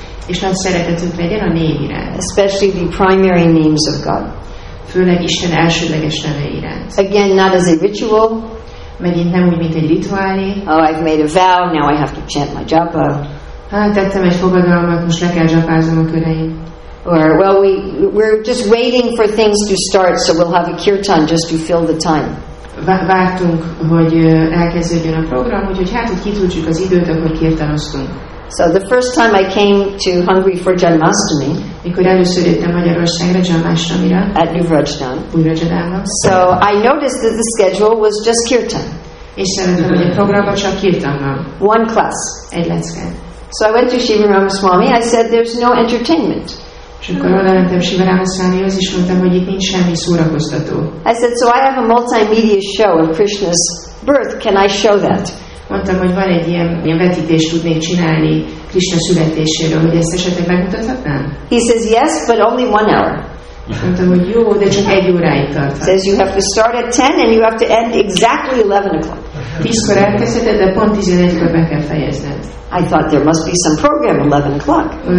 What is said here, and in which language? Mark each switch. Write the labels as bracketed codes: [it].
[hu] És nagy szeretetünk legyen a név iránt. [en] Especially the primary names of God. [hu] Főleg Isten elsődleges neve iránt. [en] Again, not as a ritual. [hu] Megint nem úgy, mint egy rituálé. [en] Oh, I've made a vow, now I have to chant my japa. [hu] Hát, tettem egy fogadalmat, most le kell japázom a köreim. [en] Or, well, we're just waiting for things to start, so we'll have a kirtan just to fill the time. [hu] Vártunk, hogy elkezdődjön a program, úgyhogy hát, hogy kitudjuk az időt, akkor kirtanoztunk. [en] So the first time I came to Hungary for Janmashtami, [hu] mikor először jöttem Magyarországra Janmashtamira, [en] at Nyugrajdan, [hu] Újrajdanában, [en] so I noticed that the schedule was just kirtan. [hu] És szerintem, hogy a programban csak kirtan van. [en] One class. [hu] Egy lecke. [en] So I went to Shiva Ramaswami, I said, there's no entertainment. [hu] És akkor oda mentem Shiva Ramaswamihoz, és mondtam, hogy itt nincs semmi szórakoztató. [en] I said, so I have a multimedia show of Krishna's birth, can I show that? [hu] Mondtam, hogy van egy ilyen vetítést tudnék csinálni Krishna születéséről, hogy ezt esetleg megmutathatnám? [en] He says yes, but only 1 hour. [hu] Mondtam, hogy jó, de csak 1 óráig tart. [en] Says you have to start at 10 and you have to end exactly 11 o'clock. [hu] Tízkor elkezdheted, de pont 11-kor be kell fejezned. [en] I thought there must be some program 11 o'clock.